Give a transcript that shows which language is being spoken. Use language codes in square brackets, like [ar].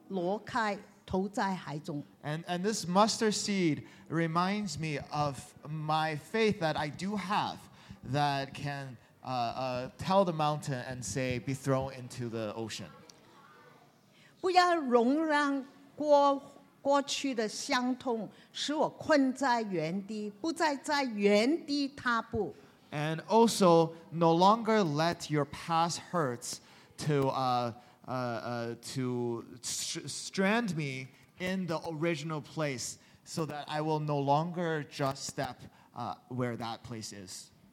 [zh] 也借一个芥菜种提醒我的有信心，对你面前的山所挪开，投在海中。 [en] And this mustard seed reminds me of my faith that I do have that can tell the mountain and say, be thrown into the ocean. [zh] 过去的伤痛使我困在原地，不再在原地踏步。 [en] And also, no longer let your past hurts to strand me in the original place, so that I will no longer just step where that place is.